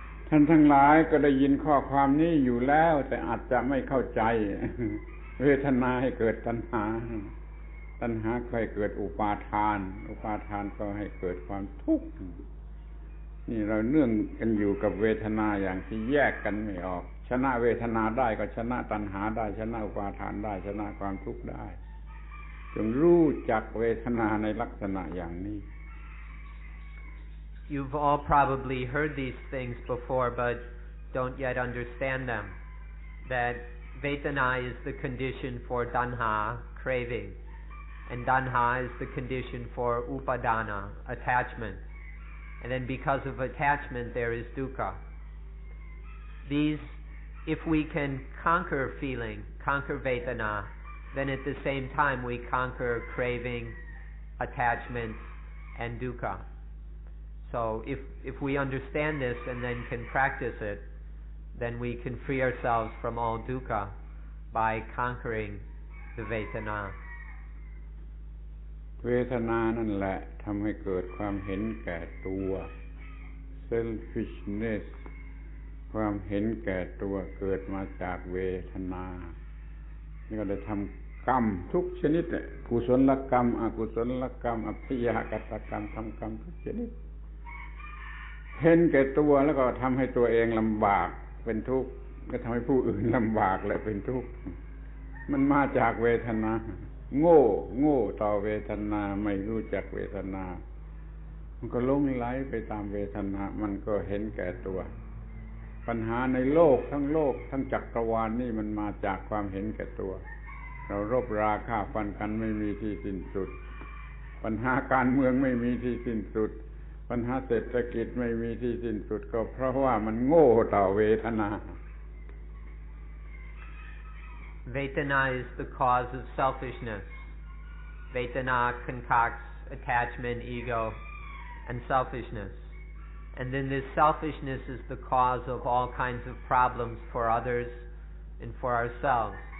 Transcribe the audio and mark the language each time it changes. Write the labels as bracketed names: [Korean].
[Thai] ท่านทั้งหลายก็ได้ยินข้อความนี้อยู่แล้วแต่อาจจะไม่เข้าใจเวทนาให้เกิดตัณหาก็ให้เกิดอุปาทานอุปาทานก็ให้เกิดความทุกข์นี่เราเนื่องกันอยู่กับเวทนาอย่างที่แยกกันไม่ออกชนะเวทนาได้ก็ชนะตัณหาได้ชนะอุปาทานได้ชนะความทุกข์ได้จงรู้จักเวทนาในลักษณะอย่างนี้ [English] You've all probably heard these things before but don't yet understand them that vedana is the condition for tanha cravingAnd dhanha is the condition for upadana, attachment. And then because of attachment, there is dukkha. These, if we can conquer feeling, conquer vedana, then at the same time we conquer craving, attachment, and dukkha. So if we understand this and then can practice it, then we can free ourselves from all dukkha by conquering the vedana. [Thai] เวทนานั่นแหละทำให้เกิดความเห็นแก่ตัว selfishness ความเห็นแก่ตัวเกิดมาจากเวทนานี่ก็เลยทำกรรมทุกชนิดกุศลกรรมอกุศลกรรมอภิยากตกรรมทำกรรมทุกชนิด เห็นแก่ตัวแล้วก็ทำให้ตัวเองลำบากเป็นทุกข์ก็ทำให้ผู้อื่นลำบากและเป็นทุกข์มันมาจากเวทนาโง่ต่อเวทนาไม่รู้จักเวทนา มันก็ลงไหลไปตามเวทนามันก็เห็นแก่ตัวปัญหาในโลกทั้งจักรวาล นี่มันมาจากความเห็นแก่ตัวเรารบราฆ่าฟันกันไม่มีที่สิ้นสุดปัญหาการเมืองไม่มีที่สิ้นสุดปัญหาเศรษฐกิจไม่มีที่สิ้นสุดก็เพราะว่ามันโง่ต่อเวทนา [English] Vedana is the cause of selfishness. Vedana concocts attachment, ego, and selfishness. And then this selfishness is the cause of all kinds of problems for others and for ourselves.